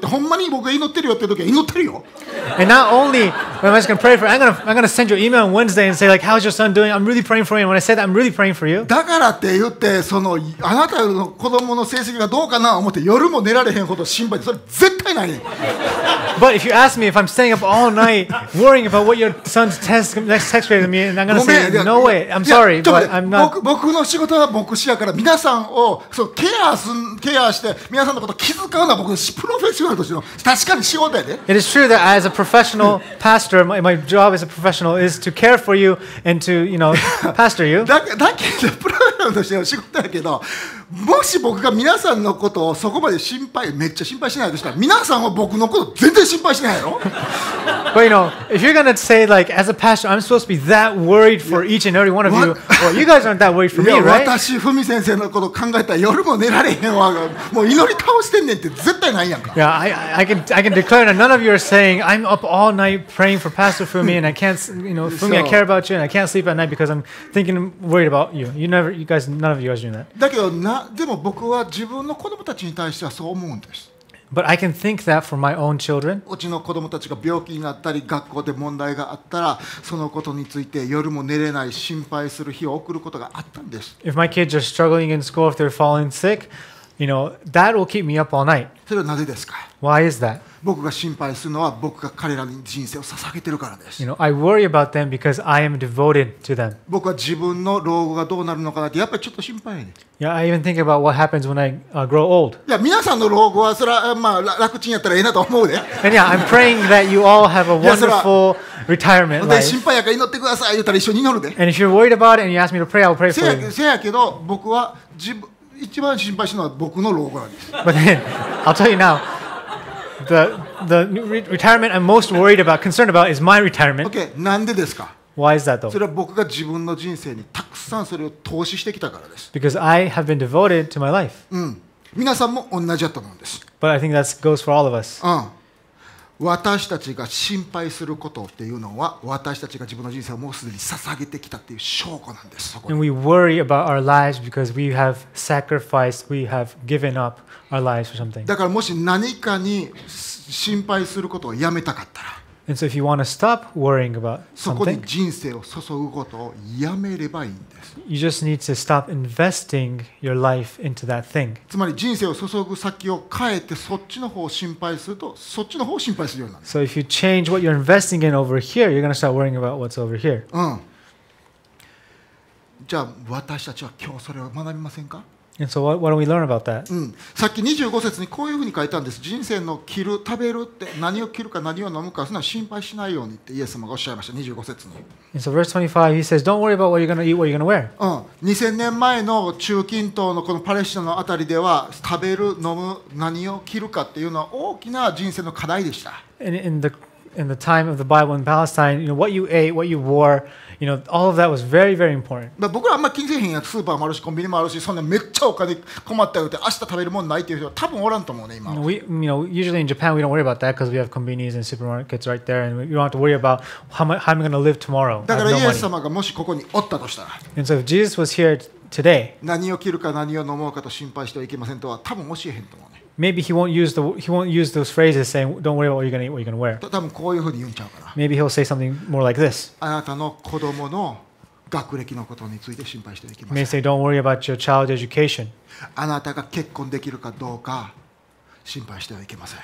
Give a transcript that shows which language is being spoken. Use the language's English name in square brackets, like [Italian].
[English] And not only am I just going to pray for you, I'm going to send you an email on Wednesday and say, like, how's your son doing? I'm really praying for you. And when I say that, I'm really praying for you. [Japanese] だからって言って、その、あなたの子供の成績がどうかなと思って、夜も寝られへんほど心配で、それ絶対ない。 [English] But if you ask me if I'm staying up all night worrying about what your son's test, next text grade is, and I'm going to say, no way, I'm sorry, but I'm not. [Japanese] 僕の仕事は牧師やから、皆さんをそうケアして、皆さんのことを気遣うのは僕のプロフェッショナルとしての、確かに仕事やで。 [English] It is true that as a professional pastor, my job as a professional is to care for you and to, you know, pastor you. [Japanese] だけど、プロフェッショナルとしての仕事やけど、もし僕が皆さんのことをそこまで心配めっちゃ心配しないとしたら皆さんは僕のこと全然心配しないやろ [English] But you know, if you're gonna say like as a pastor I'm supposed to be that worried for each and every one of you well, you guys aren't that worried for me, right? [Japanese] 私、ふみ先生のこと考えたら夜も寝られへんわもう祈り倒してんねんって絶対ないやんか [English] Yeah, I can declare that none of you are saying I'm up all night praying for Pastor Fumi and I can't, you know, Fumi, I care about you and I can't sleep at night because I'm thinking, worried about you. You guys, none of you are doing that. [Japanese] だけどなでも僕は自分の子供たちに対してはそう思うんです。 [English] But I can think that for my own children. [Japanese] うちの子供たちが病気になったり学校で問題があったらそのことについて夜も寝れない心配する日を送ることがあったんです。 [English] If my kids are struggling in school, if they're falling sick, you know, that will keep me up all night. [Japanese] それはなぜですか? [English] Why is that? [Japanese] 僕が心配するのは僕が彼らに人生を捧げているからです。 [English] You know, I worry about them because I am devoted to them. [Japanese] 僕は自分の老後がどうなるのかなってやっぱりちょっと心配やね。 [English] Yeah, I even think about what happens when I grow old. [Japanese] いや、皆さんの老後はそれはまあ楽ちんやったらいいなと思うで。 [English] And yeah, I'm praying that you all have a wonderful retirement life. [Japanese] 心配やから祈ってください言ったら一緒に祈るで。 [English] And if you're worried about it and you ask me to pray, I'll pray for you. [Japanese] せやけど僕は一番心配するのは僕の老後なんです。 [English] But then, I'll tell you now, the retirement I'm most worried about, concerned about, is my retirement. [Japanese] Okay, なんでですか？ [English] Why is that though? [Japanese] それは僕が自分の人生にたくさんそれを投資してきたからです。 [English] Because I have been devoted to my life. [Japanese] うん。皆さんも同じだと思うんです。 [English] But I think that goes for all of us. [Japanese] うん。私たちが心配することっていうのは、私たちが自分の人生をもうすでに捧げてきたっていう証拠なんです。 [English] And we worry about our lives because we have sacrificed, we have given up our lives for something. [Japanese] だからもし何かに心配することをやめたかったら、 [English] And so if you want to stop worrying about something, [Japanese] そこに人生を注ぐことをやめればいいんです。 [English] You just need to stop investing your life into that thing. [Japanese] つまり人生を注ぐ先を変えてそっちの方を心配するとそっちの方を心配するようになる。 [English] So if you change what you're investing in over here, you're going to start worrying about what's over here. [Japanese] うん。じゃあ私たちは今日それを学びませんか？ [English] And so what do we learn about that? [Japanese] うん。さっき25節にこういうふうに書いたんです。人生の切る、食べるって何を切るか何を飲むかそんな心配しないようにってイエス様がおっしゃいました。 25節に。 [English] And so verse 25, he says, don't worry about what you're going to eat, what you're going to wear. [Japanese] うん。 2000年前の中近東のこのパレスチナのあたりでは食べる、飲む、何を切るかっていうのは大きな人生の課題でした。 [English] In the time of the Bible in Palestine, you know, what you ate, what you wore, you know, all of that was very, very important. [Japanese] まあ僕らあんま気にせへんやん。スーパーもあるし、コンビニもあるし、そんなめっちゃお金困ったよって、明日食べるもんないっていう人は多分おらんと思うね、今。 [English] You know, usually in Japan, we don't worry about that because we have convenience and supermarkets right there, and you don't have to worry about how I'm going to live tomorrow. [Japanese] だからイエス様がもしここにおったとしたら。 [English] And so if Jesus was here today, [Japanese] 何を着るか何を飲もうかと心配してはいけませんとは多分教えへんと思う。 [English] Maybe he won't use those phrases saying don't worry about what you're going to eat, what you're going to wear. Maybe he'll say something more like this. [Japanese] あなたの子供の学歴のことについて心配していきます。 [English] May say don't worry about your child's education. [Japanese] あなたが結婚できるかどうか心配してはいけません。